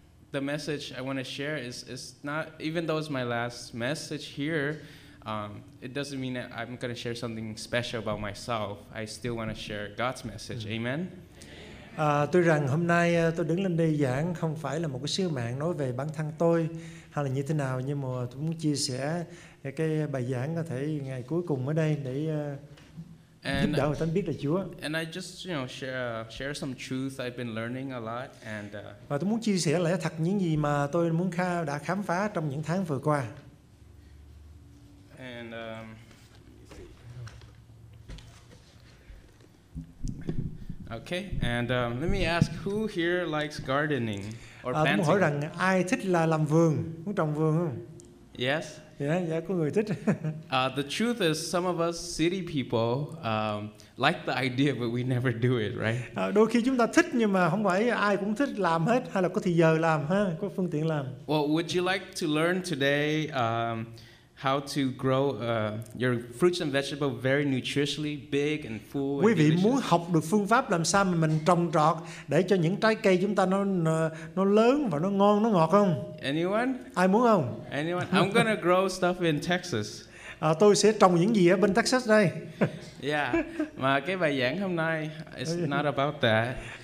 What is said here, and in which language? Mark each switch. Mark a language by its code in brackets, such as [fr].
[en] The message I want to share is not, even though it's my last message here, it doesn't mean that I'm going to share something special about myself. I still want to share God's message. Amen. [vi] Tôi rằng hôm nay tôi đứng lên đây giảng không phải là một cái sứ mạng nói về bản thân tôi hay là như thế nào, nhưng mà tôi muốn chia sẻ cái bài giảng có thể ngày cuối cùng ở đây để giúp đỡ người ta biết là Chúa. [en] And I just, you know, share some truth I've been learning a lot and [vi] và tôi muốn chia sẻ lẽ thật những gì mà tôi muốn đã khám phá trong những tháng vừa qua. [en] And okay, and let me ask, who here likes gardening or planting? [vi] Muốn hỏi rằng ai thích là làm vườn, muốn trồng vườn không? [en] Yes. [vi] Yeah, có người thích. [en] The truth is, some of us city people like the idea, but we never do it, right? [vi] Đôi khi chúng ta thích nhưng mà không phải ai cũng thích làm hết, hay là có thời giờ làm, ha, có phương tiện làm. [en] Well, would you like to learn today how to grow your fruits and vegetables very nutritiously, big and full? [vi] Quý vị [en] delicious? [vi] Muốn học được phương pháp làm sao mà mình trồng trọt để cho những trái cây chúng ta nó lớn và nó ngon, nó ngọt không? [en] Anyone? [vi] Ai muốn không? [en] Anyone? I'm gonna grow stuff in Texas. [vi] Tôi sẽ trồng những gì ở bên Texas đây. Yeah, mà cái bài giảng hôm nay [en] is not about that.